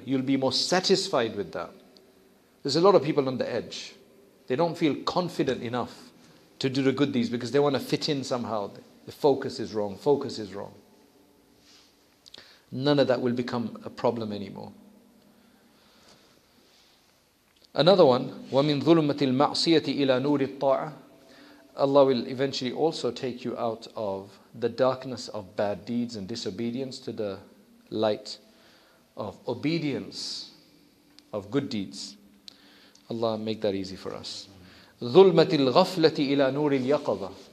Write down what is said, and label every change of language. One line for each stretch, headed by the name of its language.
English: You'll be more satisfied with that. There's a lot of people on the edge. They don't feel confident enough to do the good deeds because they want to fit in somehow. The focus is wrong, focus is wrong. None of that will become a problem anymore. Another one,
Arabic: وَمِنْ ظُلُمَةِ الْمَعْصِيَةِ إِلَى نُورِ الطَّاعَةِ.
English: Allah will eventually also take you out of the darkness of bad deeds and disobedience to the light of obedience, of good deeds. Allah make that easy for us.
Arabic: ظُلْمَةِ الْغَفْلَةِ إِلَى نُورِ الْيَقَظَةِ.